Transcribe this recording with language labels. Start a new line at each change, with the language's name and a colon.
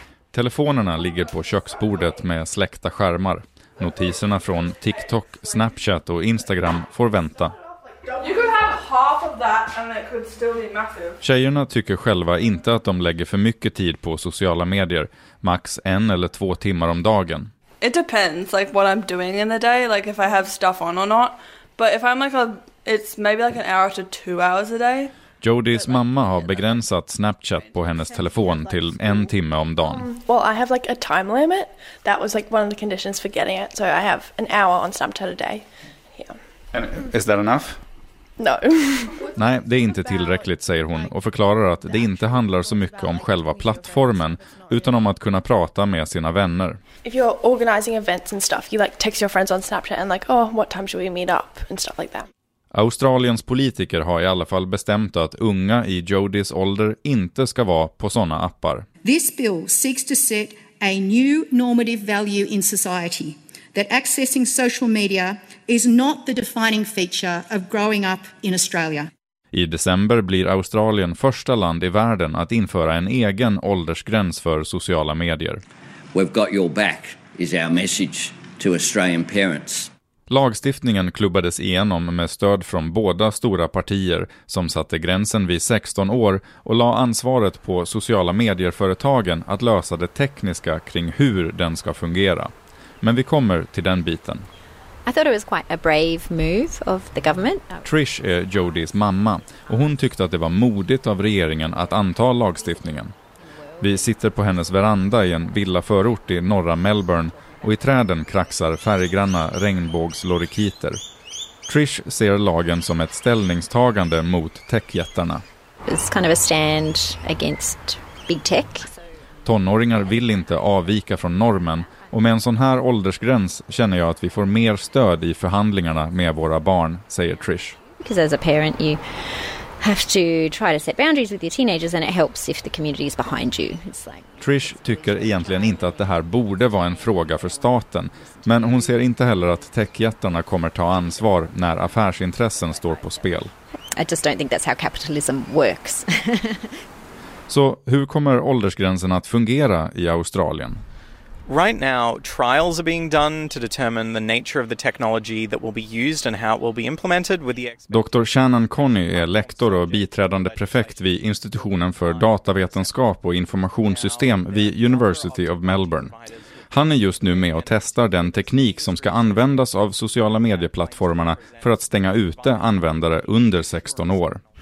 Swedish: Telefonerna ligger på köksbordet med släckta skärmar. Notiserna från TikTok, Snapchat och Instagram får vänta. Tjejerna tycker själva inte att de lägger för mycket tid på sociala medier, max en eller två timmar om dagen.
English: It depends like what I'm doing in the day, like if I have stuff on or not. But if I'm like a, it's maybe like an hour to 2 hours a day.
Swedish: Jodys mamma har begränsat Snapchat på hennes telefon till en timme om dagen.
English: Well, I have like a time limit. That was like one of the conditions for getting it. So I have an hour on Snapchat a day. Yeah. And is that enough? No.
Swedish: Nej, det är inte tillräckligt, säger hon, och förklarar att det inte handlar så mycket om själva plattformen utan om att kunna prata med sina vänner.
English: If you're organizing events and stuff, you like text your friends on Snapchat and like, "Oh, what time should we meet up?" and stuff like that.
Swedish: Australiens politiker har i alla fall bestämt att unga i Jodys ålder inte ska vara på såna appar.
English: This bill seeks to set a new normative value in society that accessing social media is not the defining feature of growing up in Australia.
Swedish: I december blir Australien första land i världen att införa en egen åldersgräns för sociala medier.
English: We've got your back is our message to Australian parents.
Swedish: Lagstiftningen klubbades igenom med stöd från båda stora partier som satte gränsen vid 16 år och la ansvaret på sociala medierföretagen att lösa det tekniska kring hur den ska fungera. Men vi kommer till den biten.
English: I thought it was quite a brave move of the government.
Swedish: Trish är Jodys mamma och hon tyckte att det var modigt av regeringen att anta lagstiftningen. Vi sitter på hennes veranda i en villa förort i norra Melbourne och i träden kraxar färggranna regnbågslorikiter. Trish ser lagen som ett ställningstagande mot techjättarna.
English: It's kind of a stand against big tech.
Swedish: Tonåringar vill inte avvika från normen. Och med en sån här åldersgräns känner jag att vi får mer stöd i förhandlingarna med våra barn, säger Trish.
English: Because as a parent you have to try to set boundaries with your teenagers and it helps if the community is behind you. It's like...
Swedish: Trish tycker egentligen inte att det här borde vara en fråga för staten, men hon ser inte heller att techjättarna kommer ta ansvar när affärsintressen står på spel.
English: I just don't think that's how capitalism works.
Swedish: Så hur kommer åldersgränsen att fungera i Australien?
English: Right now, trials are being done to determine the nature of the technology that will be used and how it will be implemented with the... Dr.
Swedish: Shannon Conney är lektor och biträdande prefekt vid institutionen för datavetenskap och informationssystem vid University of Melbourne. Han är just nu med och testar den teknik som ska användas av sociala medieplattformarna för att stänga ute användare under 16 år.